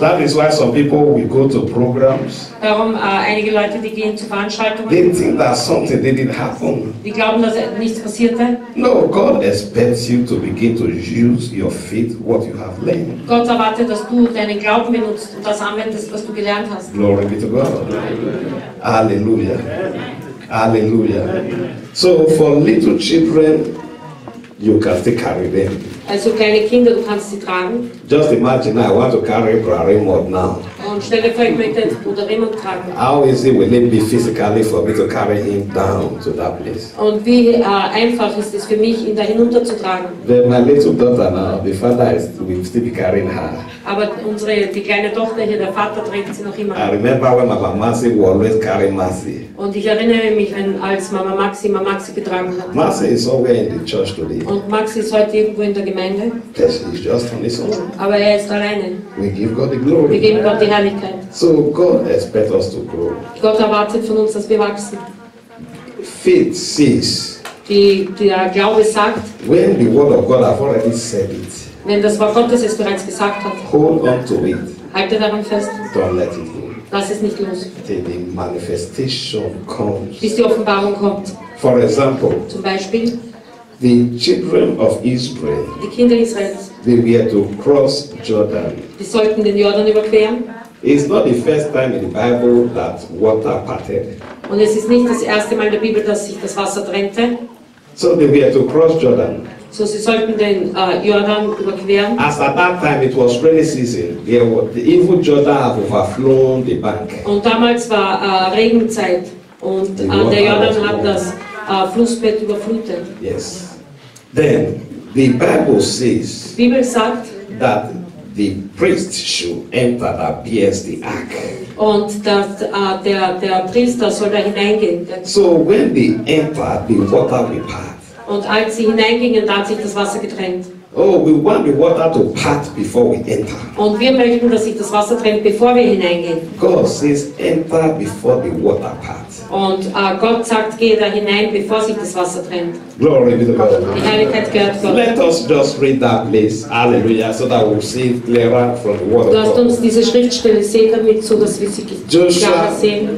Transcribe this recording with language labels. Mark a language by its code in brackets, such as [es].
[en] That is why some people will go to programs. [de] Darum einige Leute, die gehen zu Veranstaltungen. [en] They think that something didn't happen. [de] Die glauben, dass nichts passierte. [en] No, God expects you to begin to use your faith, what you have learned. [de] Gott erwartet, dass du deinen Glauben benutzt und das anwendest, was du gelernt hast. [en] Glory be to God. Hallelujah. Hallelujah. So for little children, you can still carry them. [de] Also kleine Kinder, du kannst sie tragen. [en] Just imagine, I want to carry Brarimod now. [de] Und stell dir vor, ich möchte Brarimod tragen. [en] How easy will it be physically for me to carry him down to that place? [de] Und wie einfach ist es für mich, ihn da hinunterzutragen? [en] Then my little daughter now, the father will still be carrying her. [de] Aber unsere, die kleine Tochter hier, der Vater trägt sie noch immer. [en] I remember when Mama Maxi always carried Maxi. [de] Und ich erinnere mich, als Mama Maxi Mama Maxi getragen hat. [en] Maxi is always in the church today. [de] Und Maxi ist heute irgendwo in der Gemeinde. [en] Yes, he's just on his own. [de] Aber er ist alleine. [en] We give God the glory. [de] Wir geben Gott die Herrlichkeit. [en] So God expects us to grow. [de] Gott erwartet von uns, dass wir wachsen. [en] Faith says. [de] Der Glaube sagt. [en] When the word of God have already said it. [de] Wenn das Wort Gottes es bereits gesagt hat, [en] hold on to it. [de] Halte daran fest. [en] Don't let it go. [de] Lass es nicht los. [en] Till the manifestation comes. [de] Bis die Offenbarung kommt. [en] For example, [de] zum Beispiel, [en] the children of Israel, [de] die Kinder Israels, [en] they were to cross Jordan. [de] Die sollten den Jordan überqueren. [en] It's not the first time in the Bible that water parted. [de] Und es ist nicht das erste Mal in der Bibel, dass sich das Wasser trennte. [en] So they were to cross Jordan. [de] So sie sollten den Jordan überqueren. [en] As at that time it was rainy season, the evil Jordan had overflown the bank. [de] Und damals war Regenzeit und der Jordan hat das Flussbett überflutet. [en] Yes. Then the Bible says. [de] Die Bibel sagt, [en] that the priest should enter that bears the ark. [de] Und dass der Priester soll da hineingehen. [en] So when they enter, the water will part. [de] Und als sie hineingingen, da hat sich das Wasser getrennt. [en] Oh, we want the water to part before we enter. [de] Und wir möchten, dass sich das Wasser trennt, bevor wir hineingehen. [en] God says, enter before the water parts. [de] Und Gott sagt, geh da hinein, bevor sich das Wasser trennt. [en] Glory be to God. [de] Die Herrlichkeit gehört Gott. [en] Let us just read that place, hallelujah, so that we'll see it clearer from the word. [de] Lasst uns diese Schriftstelle sehen, damit so dass wir sie klarer sehen.